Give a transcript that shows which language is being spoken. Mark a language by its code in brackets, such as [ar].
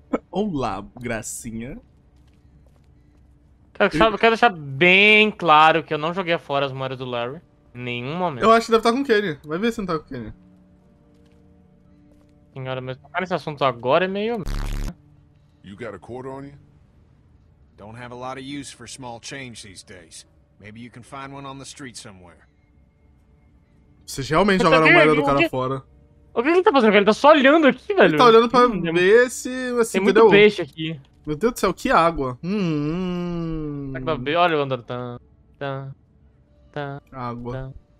[pt] Olá, gracinha. Quero deixar bem claro que eu não joguei fora as moedas do Larry. Em nenhum momento. Eu acho que deve estar com o Kenny. Vai ver se não tá com o Kenny. Senhora, mas tocar nesse assunto agora é meio... [en] You got a quarter on you? Don't have a lot of use for small change these days. Maybe you can find one on the street somewhere. [pt] Vocês realmente jogaram a moeda do cara fora. O que ele tá fazendo? Ele tá só olhando aqui, velho. Ele tá olhando pra ver se... Assim, tem muito peixe aqui. Meu Deus do céu, que água. Tá que tá bem, olha o andar. Água.